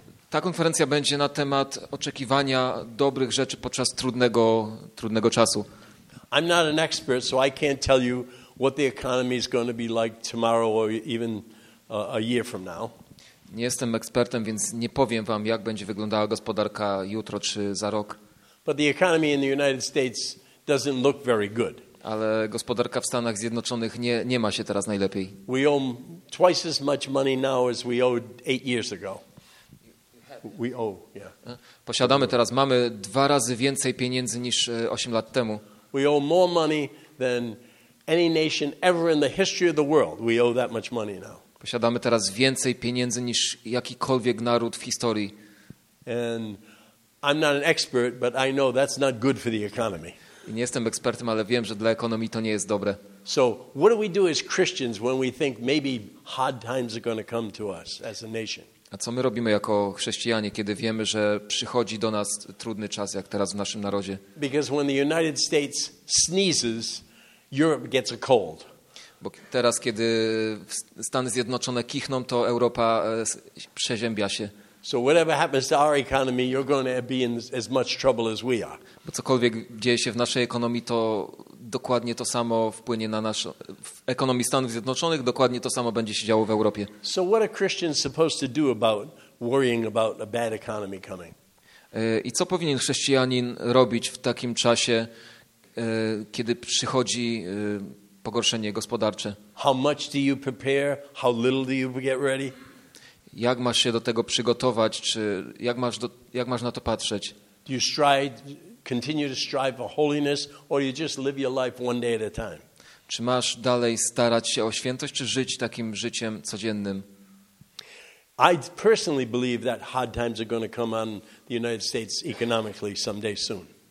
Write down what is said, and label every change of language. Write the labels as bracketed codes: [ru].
[pl] Ta konferencja będzie na temat oczekiwania dobrych rzeczy podczas trudnego czasu. [en] I'm not an expert, so I can't tell you what the economy is going to be like tomorrow or even a year from now. [pl] Nie jestem ekspertem, więc nie powiem wam, jak będzie wyglądała gospodarka jutro czy za rok. [en] But the economy in the United States doesn't look very good. [pl] Ale gospodarka w Stanach Zjednoczonych nie ma się teraz najlepiej. [en] We owe twice as much money now as we owed 8 years ago. We owe, yeah. [pl] Posiadamy teraz, mamy dwa razy więcej pieniędzy niż 8 lat temu. [en] We owe more money than any nation ever in the history of the world. We owe that much money now. [pl] Posiadamy teraz więcej pieniędzy niż jakikolwiek naród w historii. [en] And I'm not an expert, but I know that's not good for the economy. [pl] I nie jestem ekspertem, ale wiem, że dla ekonomii to nie jest dobre. [en] So, what do we do as Christians when we think maybe hard times are going to come to us as a nation? [pl] A co my robimy jako chrześcijanie, kiedy wiemy, że przychodzi do nas trudny czas, jak teraz w naszym narodzie? [en] Because when the United States sneezes, Europe gets a cold. [pl] Bo teraz, kiedy Stany Zjednoczone kichną, to Europa przeziębia się. [en] So whatever happens to our economy, you're going to be in as much trouble as we are. [pl] Bo cokolwiek dzieje się w naszej ekonomii, to dokładnie to samo wpłynie na naszą w ekonomii Stanów Zjednoczonych, dokładnie to samo będzie się działo w Europie. [en] So what are Christians supposed to do about worrying about a bad economy coming? [pl] I co powinien chrześcijanin robić w takim czasie, kiedy przychodzi pogorszenie gospodarcze? [en] How much do you prepare? How little do you get ready? [pl] Jak masz się do tego przygotować, czy jak masz na to patrzeć? [en] Do you strive, continue to strive for holiness, or you just live your life one day at a time? [pl] Czy masz dalej starać się o świętość, czy żyć takim życiem codziennym? [en] I personally believe that hard times are going to come on the United States economically someday soon.